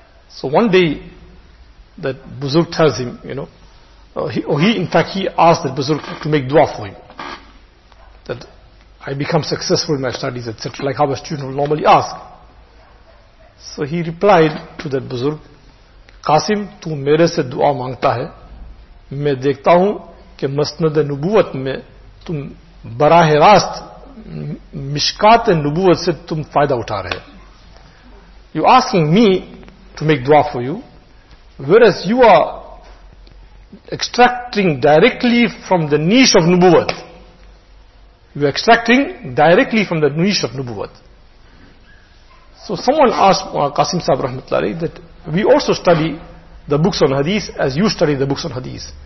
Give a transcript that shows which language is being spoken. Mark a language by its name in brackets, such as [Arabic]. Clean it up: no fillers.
[English] So one day that Buzurg tells him, he asked that Buzurg to make dua for him, that I become successful in my studies, etc., like how a student will normally ask. So he replied to that Buzurg, [Urdu] Qasim, tu mere se dua mangta hai, main dekhta hoon کہ مسند نبوت میں تم براہ راست مشکات نبوت سے تم فائدہ اٹھا رہے. [English] You asking me to make dua for you, whereas you are extracting directly from the niche of nubuwat. You are extracting directly from the niche of nubuwat. So someone asked Qasim Sahib rahmatullah alayhi that we also study the books on hadith as you study the books on hadith.